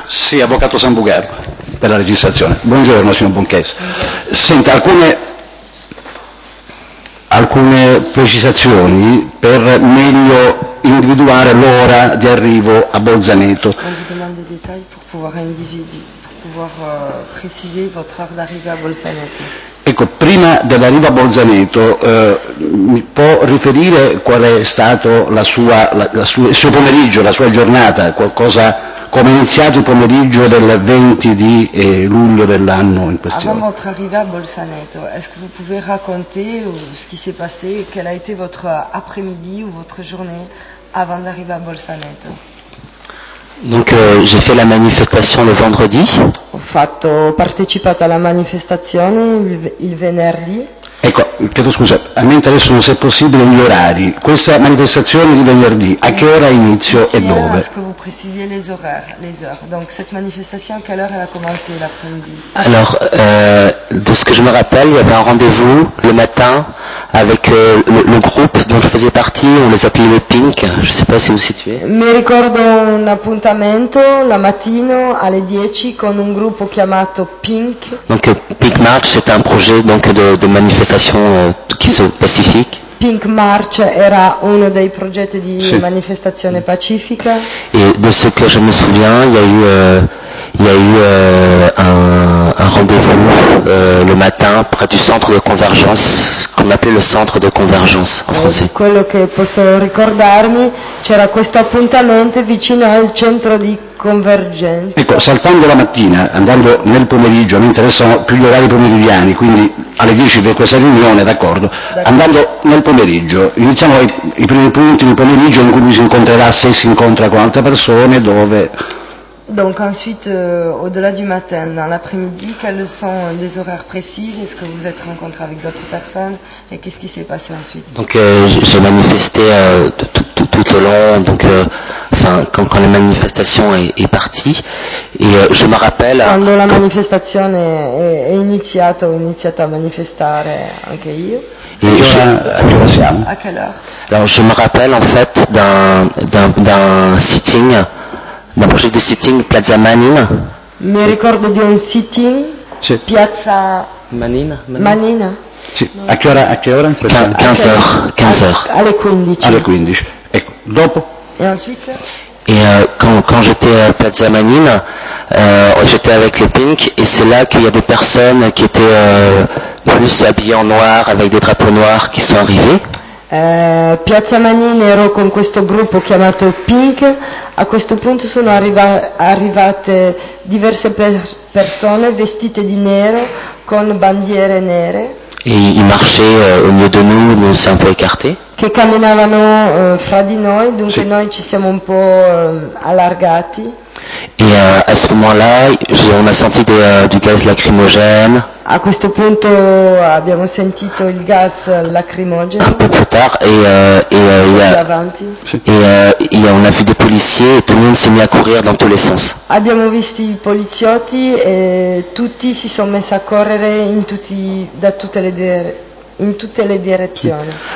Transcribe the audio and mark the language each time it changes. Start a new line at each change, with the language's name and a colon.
Italian: Sì, avvocato San Bugher, per la registrazione. Buongiorno, signor Bonchès. Senta, alcune precisazioni per meglio individuare l'ora di arrivo a Bolzaneto. Alcune domande di dettaglio per poter individuare.
French: Pouvoir préciser votre heure d'arrivée à Bolzaneto.
Italian: Ecco, prima dell'arrivo a Bolzaneto, mi può riferire qual è stato il suo pomeriggio, la sua giornata, qualcosa come è iniziato il pomeriggio del 20 di luglio dell'anno in questione?
French: Avant votre arrivée à Bolzaneto, est-ce que vous pouvez raconter ce qui s'est passé, quel a été votre après-midi ou votre journée avant d'arriver à Bolzaneto? Donc j'ai fait la manifestation le vendredi.
Italian: Ho partecipato alla manifestazione il venerdì. Ecco, chiedo scusa, a me interessano se è possibile gli orari. Questa manifestazione di venerdì, a che ora inizio e dove?
French: Est-ce que vous précisiez les horaires, les heures. Donc cette manifestation, à quelle heure elle a commencé l'après-midi? Alors, de ce que je me rappelle, il y avait un rendez-vous le matin avec le groupe dont je faisais partie, on les appelait les Pink, je ne sais pas si vous situez.
Italian: Mi ricordo un appuntamento la mattina alle 10 con un gruppo chiamato Pink.
French: Donc Pink March, c'est un projet donc de manifestation qui se pacifique.
Italian: Pink March era uno dei progetti di sì. manifestazione pacifica.
French: E de ce que je me souviens, il y a eu un rendez-vous le matin près du centre de convergence, ce qu'on appelait le centre de convergence en français.
Italian: Quello che posso ricordarmi, c'era questo appuntamento vicino al centro di convergenza. Ecco, saltando la mattina, andando nel pomeriggio, mi interessano più gli orari pomeridiani, quindi alle 10 per questa riunione, d'accordo. Andando nel pomeriggio, iniziamo i primi punti nel pomeriggio in cui lui si incontrerà, se si incontra con altre persone, dove...
French: Donc ensuite, au-delà du matin, dans l'après-midi, quels sont les horaires précis? Est-ce que vous êtes rencontré avec d'autres personnes? Et qu'est-ce qui s'est passé ensuite? Donc j'ai manifesté tout au long, donc quand la manifestation est partie. Et je me rappelle... Quand la manifestation est
Italian: iniziata, ho iniziato a manifestare anche io.
French: Et à quelle heure? Alors je me rappelle en fait d'un sitting... Un projet de sitting Plaza Manin.
Italian: Mi ricordo di un sitting c'è. Piazza Manin. A che ora?
French: 15h.
Italian: Alle 15. Alle 15. Ecco, dopo.
French: E ensuite? Quand j'étais à Plaza Manin, j'étais avec les Pink, et c'est là qu'il y a des personnes qui étaient plus habillées en noir, avec des drapeaux noirs, qui sont arrivées.
Italian: Piazza Manin, ero con questo gruppo chiamato Pink. A questo punto sono arrivate diverse persone vestite di nero con bandiere nere.
French: E i marchés au milieu de nous, nous sommes un peu écartés.
Italian: Che camminavano fra di noi, dunque sì. Noi ci siamo un po' allargati.
French: E a ce moment-là, on a senti du gaz lacrimogène.
Italian: A questo punto abbiamo sentito il gas lacrimogeno.
French: Un peu plus tard, on a vu des policiers et tout le monde s'est mis à courir dans tous les sens.
Italian: Abbiamo visto i poliziotti e tutti si sono messi a correre in tutte le direzioni.